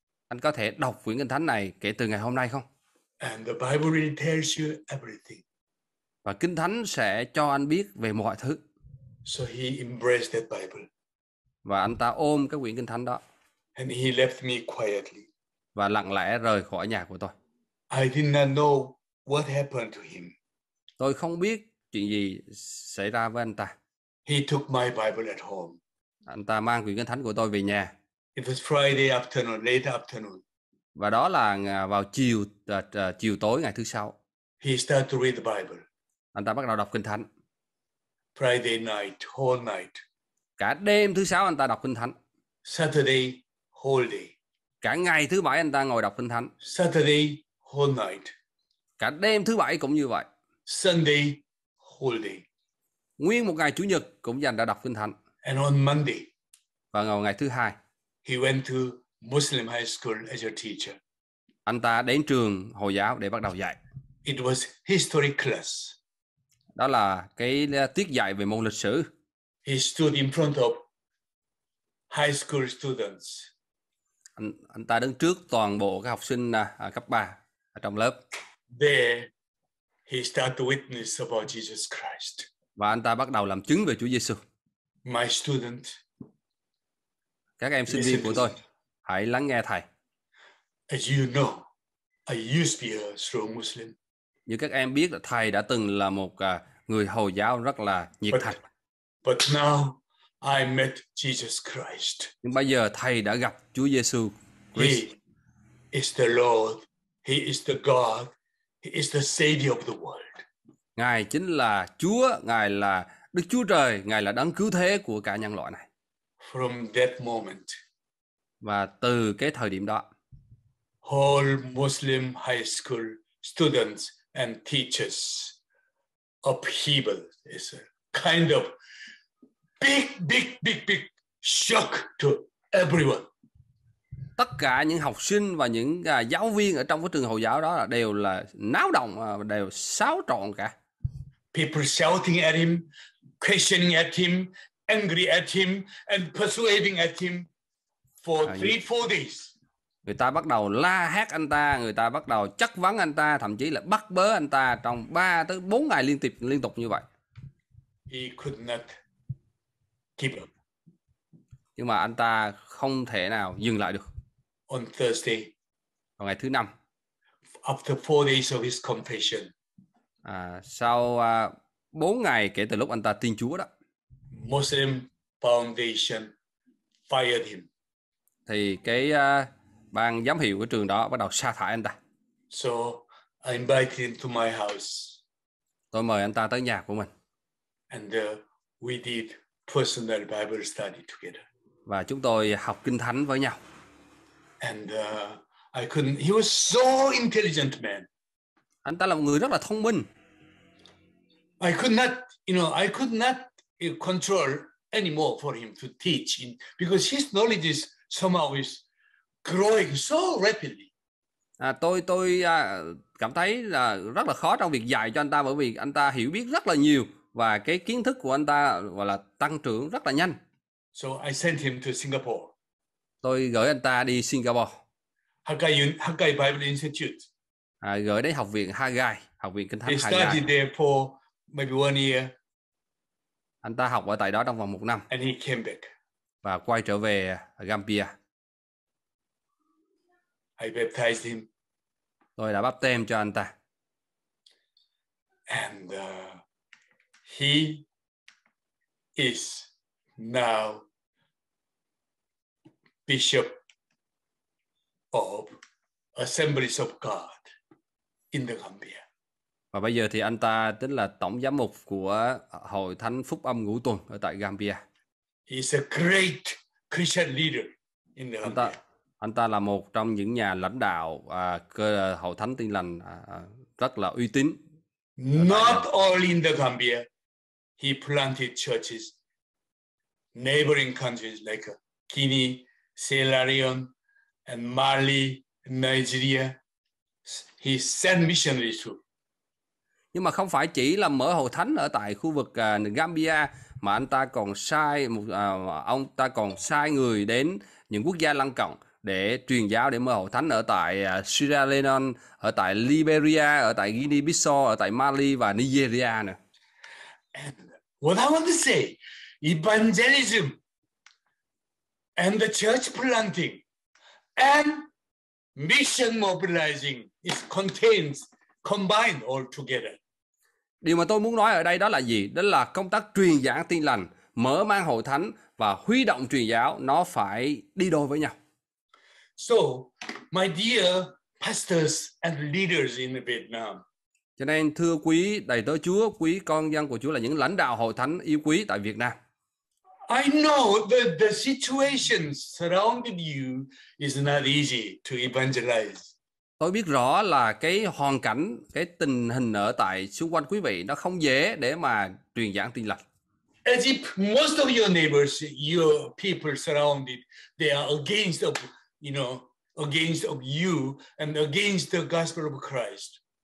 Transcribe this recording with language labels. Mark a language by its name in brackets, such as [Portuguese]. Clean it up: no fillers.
[Vietnamese] Anh có thể đọc quyển kinh thánh này kể từ ngày hôm nay không? [English] And the Bible really tells you everything. [Vietnamese] Và kinh thánh sẽ cho anh biết về mọi thứ. [English] So he embraced that Bible. [Vietnamese] Và anh ta ôm cái quyển kinh thánh đó. [English] And he left me quietly. [Vietnamese] Và lặng lẽ rời khỏi nhà của tôi. [English] I did not know what happened to him. [Vietnamese] Tôi không biết chuyện gì xảy ra với anh ta. [English] He took my Bible at home. [Vietnamese] Anh ta mang quyển kinh thánh của tôi về nhà. [English] It was Friday afternoon, late afternoon. [Vietnamese] Và đó là vào chiều tối ngày thứ sáu. [English] He started to read the Bible. [Vietnamese] Anh ta bắt đầu đọc kinh thánh. [English] Friday night, whole night. [Vietnamese] Cả đêm thứ sáu anh ta đọc kinh thánh. [English] Saturday, whole day. [Vietnamese] Cả ngày thứ bảy anh ta ngồi đọc kinh thánh. [English] Saturday, whole night. [Vietnamese] Cả đêm thứ bảy cũng như vậy. [English] Sunday, whole day. [Vietnamese] Nguyên một ngày Chủ nhật cũng dành ra đọc kinh thánh. [English] And on Monday. [Vietnamese] Và vào ngày thứ hai. [English] He went to Muslim high school as a teacher. [Vietnamese] Anh ta đến trường Hồi giáo để bắt đầu dạy. [English] It was history class. [Vietnamese] Đó là cái tiết dạy về môn lịch sử. [English] He stood in front of high school students. [Vietnamese] Anh ta đứng trước toàn bộ các học sinh cấp 3 ở trong lớp. [English] There, he started to witness about Jesus Christ. [Vietnamese] Và anh ta bắt đầu làm chứng về Chúa Giêsu. [English] My student. [Vietnamese] Các em sinh viên của tôi, hãy lắng nghe thầy. [English] As you know, I used to be a strong Muslim. [Vietnamese] Như các em biết, thầy đã từng là một người Hồi giáo rất là nhiệt thành. [English] But now I met Jesus Christ. [Vietnamese] Nhưng bây giờ thầy đã gặp Chúa Giêsu. [English] He is the Lord. He is the God. He is the Savior of the world. [Vietnamese] Ngài chính là Chúa. Ngài là Đức Chúa Trời. Ngài là Đấng cứu thế của cả nhân loại này. [English] From that moment. [Vietnamese] Và từ cái thời điểm đó. [English] All Muslim high school students and teachers upheaval is a kind of big shock to everyone. [Vietnamese] Tất cả những học sinh và những giáo viên ở trong cái trường Hồi giáo đó đều là náo động, đều xáo trộn cả. [English] People shouting at him, questioning at him, angry at him and persuading at him for 3-4 days. [Vietnamese] Người ta bắt đầu la hét anh ta, người ta bắt đầu chất vấn anh ta, thậm chí là bắt bớ anh ta trong 3 tới 4 ngày liên tục như vậy. [English] He could not keep up. [Vietnamese] Nhưng mà anh ta không thể nào dừng lại được. [English] On Thursday. [Vietnamese] Vào ngày thứ năm. [English] After 4 days of his confession. [Vietnamese] Sau 4 ngày kể từ lúc anh ta tin Chúa đó. [English] Muslim Foundation fired him. [Vietnamese] Thì cái ban giám hiệu của trường đó bắt đầu sa thải anh ta. [English] So I invited him to my house. [Vietnamese] Tôi mời anh ta tới nhà của mình. [English] And we did personal Bible study together. [Vietnamese] Và chúng tôi học kinh thánh với nhau. [English] And I couldn't. He was so intelligent man. [Vietnamese] Anh ta là một người rất là thông minh. [English] I could not, I could not control anymore for him to teach in, because his knowledge is somehow is growing so rapidly. [Vietnamese] Tôi cảm thấy là rất là khó trong việc dạy cho anh ta bởi vì anh ta hiểu biết rất là nhiều và cái kiến thức của anh ta gọi là tăng trưởng rất là nhanh. [English] So I sent him to Singapore. [Vietnamese] Tôi gửi anh ta đi Singapore. [English] Hagai Bible Institute. [Vietnamese] Gửi đến học viện Hagai, học viện kinh thánh [English] Hagai. He studied there for maybe 1 year. [Vietnamese] Anh ta học ở tại đó trong vòng 1 năm. [English] And he came back. [Vietnamese] Và quay trở về Gambia. [English] I baptized him. [Vietnamese] Tôi đã báp têm cho anh ta. [English] And he is now Bishop of Assemblies of God in the Gambia. [Vietnamese] Và bây giờ thì anh ta tính là tổng giám mục của Hội Thánh Phúc Âm Ngũ Tuần ở tại Gambia. [English] He's a great Christian leader in the Gambia. [Vietnamese] Anh ta là một trong những nhà lãnh đạo Hội Thánh Tin Lành rất là uy tín. [English] Not only in the Gambia, he planted churches neighboring countries like Guinea, Sierra Leone, and Mali, Nigeria. He sent missionaries to. [Vietnamese] Nhưng mà không phải chỉ là mở hội thánh ở tại khu vực Gambia mà anh ta còn sai một ông ta còn sai người đến những quốc gia lân cận để truyền giáo, để mở hội thánh ở tại Sierra Leone, ở tại Liberia, ở tại Guinea-Bissau, ở tại Mali và Nigeria nè. [English] What I want to say, evangelism and the church planting and mission mobilizing is contained, combined all together. [Vietnamese] Điều mà tôi muốn nói ở đây đó là gì? Đó là công tác truyền giảng tin lành, mở mang hội thánh và huy động truyền giáo, nó phải đi đôi với nhau. [English] So, my dear pastors and leaders in Vietnam. [Vietnamese] Cho nên thưa quý đầy tớ Chúa, quý con dân của Chúa là những lãnh đạo hội thánh yêu quý tại Việt Nam. [English] I know that the situation surrounding you is not easy to evangelize. [Vietnamese] Tôi biết rõ là cái hoàn cảnh, cái tình hình ở tại xung quanh quý vị nó không dễ để mà truyền giảng tin lành. [English] As if most of your neighbors, your people surrounded, they are against of, you know, against of you and against the gospel of Christ.